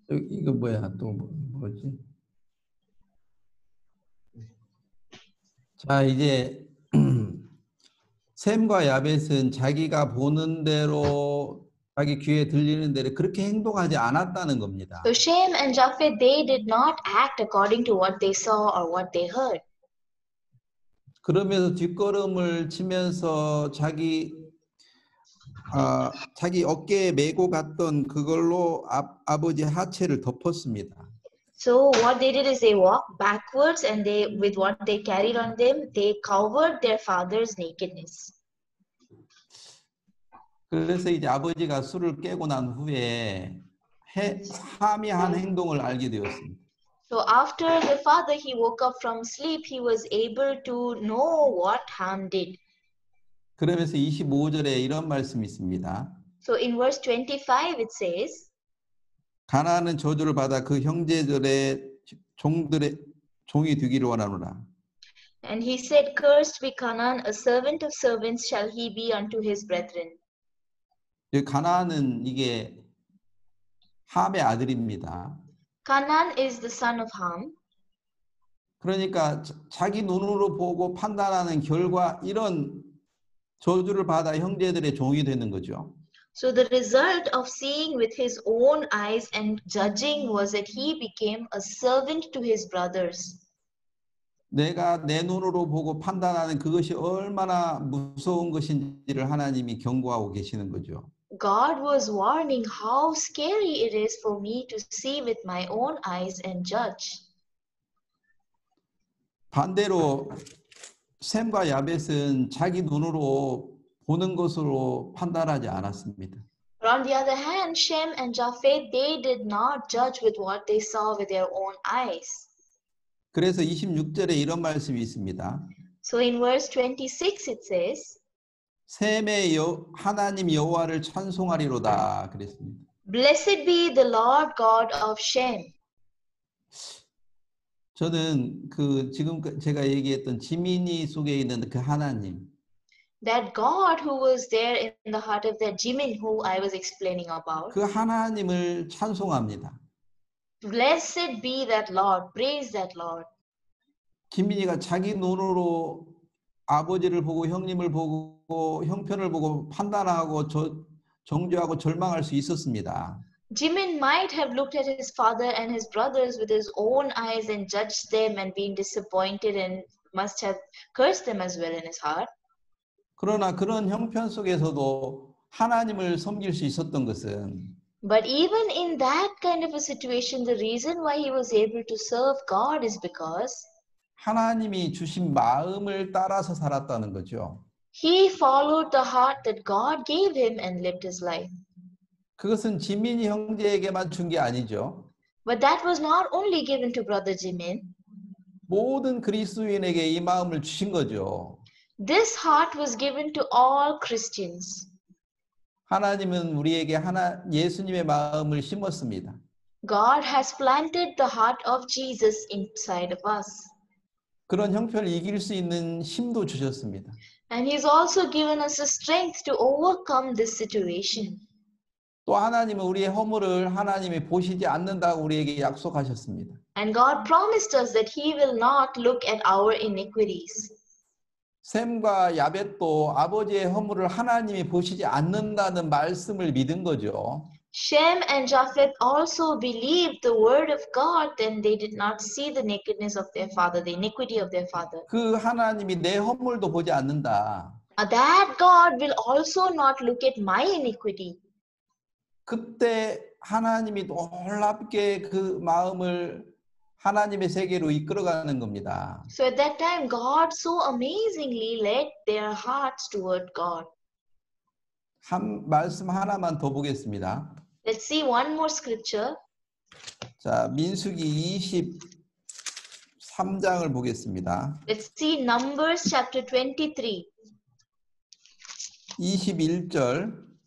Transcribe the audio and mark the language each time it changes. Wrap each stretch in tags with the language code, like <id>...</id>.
<ko>이거 뭐야, 또 뭐지? 자, 이제 샘과 야벳은 자기가 보는 대로 자기 귀에 들리는 대로 그렇게 행동하지 않았다는 겁니다.</ko> <en>So Shem and Japheth, they did not act according to what they saw or what they heard.</en> <ko>그러면서 뒷걸음을 치면서 자기 자기 어깨에 메고 갔던 그걸로 아버지 하체를 덮었습니다.</ko> <en>So what they did is they walked backwards and they with what they carried on them, they covered their father's nakedness.</en> <ko>그래서 이제 아버지가 술을 깨고 난 후에 참이한 행동을 알게 되었습니다.</ko> <en>So after the father he woke up from sleep, he was able to know what harm did.</en> <ko>그러면서 25절에 이런 말씀이 있습니다.</ko> <en>So in verse 25 it says,</en> <ko>가나안은 저주를 받아 그 형제들의 종들의 종이 되기를 원하노라.</ko> <en>And he said, cursed be Canaan, a servant of servants shall he be unto his brethren.</en> <ko>가나안은 이게 함의 아들입니다.</ko> <en>Canaan is the son of Ham.</en> <ko>그러니까 자기 눈으로 보고 판단하는 결과 이런 저주를 받아 형제들의 종이 되는 거죠.</ko> <en>So the result of seeing with his own eyes and judging was that he became a servant to his brothers.</en> <ko>내가 내 눈으로 보고 판단하는 그것이 얼마나 무서운 것인지를 하나님이 경고하고 계시는 거죠.</ko> <en>God was warning how scary it is for me to see with my own eyes and judge.</en> <ko>반대로 샘과 야벳은 자기 눈으로 보는 것으로 판단하지 않았습니다.</ko> <en>But on the other hand, Shem and Japheth, they did not judge with what they saw with their own eyes.</en> <ko>그래서 26절에 이런 말씀이 있습니다.</ko> <en>So in verse 26 it says,</en> <ko>샘의 하나님 여호와를 찬송하리로다 그랬습니다.</ko> <en>Blessed be the Lord God of Shem.</en> <ko>저는 그 지금 제가 얘기했던 지민이 속에 있는 그 하나님.</ko> <en>That God who was there in the heart of that Jimin who I was explaining about.</en> <ko>그 하나님을 찬송합니다.</ko> <en>Blessed be that Lord. Praise that Lord.</en> <ko>지민이가 자기 눈으로 아버지를 보고 형님을 보고 형편을 보고 판단하고 정죄하고 절망할 수 있었습니다.</ko> <en>Jimin might have looked at his father and his brothers with his own eyes and judged them and been disappointed and must have cursed them as well in his heart.</en> <ko>그러나 그런 형편 속에서도 하나님을 섬길 수 있었던 것은</ko> <en>But even in that kind of a situation, the reason why he was able to serve God is because</en> <ko>하나님이 주신 마음을 따라서 살았다는 거죠.</ko> <en>He followed the heart that God gave him and lived his life.</en> <ko>그것은 지민이 형제에게만 준 게 아니죠.</ko> <en>But that was not only given to Brother Jimin.</en> <ko>모든 그리스도인에게 이 마음을 주신 거죠.</ko> <en>This heart was given to all Christians.</en> <ko>하나님은 우리에게 예수님의 마음을 심었습니다.</ko> <en>God has planted the heart of Jesus inside of us.</en> <ko>그런 형편을 이길 수 있는 힘도 주셨습니다.</ko> <en>And he's also given us the strength to overcome this situation.</en> <ko>또 하나님은 우리의 허물을 하나님이 보시지 않는다고 우리에게 약속하셨습니다.</ko> <en>And God promised us that he will not look at our iniquities.</en> <ko>샘과 야벳도 아버지의 허물을 하나님이 보시지 않는다는 말씀을 믿은 거죠.</ko> <en>Shem and Japheth also believed the word of God, and they did not see the nakedness of their father, the iniquity of their father.</en> <ko>그 하나님이 내 허물도 보지 않는다.</ko> <en>That God will also not look at my iniquity.</en> <ko>그때 하나님이 놀랍게 그 마음을 하나님의 세계로 이끌어가는 겁니다.</ko> <en>So at that time, God so amazingly led their hearts toward God.</en> <ko>한 말씀 하나만 더 보겠습니다.</ko> <en>Let's see one more scripture.</en> <ko>자, 민수기 23장을 보겠습니다.</ko> <en>Let's see Numbers chapter 23.</en> <ko>21절.</ko>